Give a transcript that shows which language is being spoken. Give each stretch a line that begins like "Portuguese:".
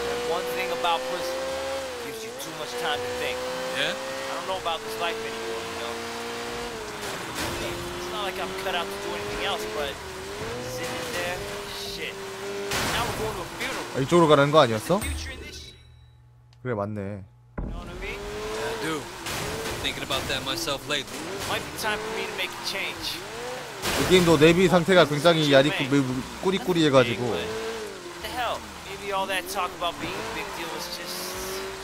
English: One thing about prison gives you too much time to think. Yeah? I don't know about this life anymore, you know. It's not like I'm cut out to do anything else, but sitting there, shit. Now we're going to a funeral.
Korean: 이쪽으로 가는 거 아니었어? 그래 맞네.
English: Yeah, I do. Thinking about that myself lately. Might be time for me to make a change.
Korean: 이 게임도 내비 상태가 굉장히 야리꾸 꾸리꾸리해가지고.
English: All that talk about being a big deal was just...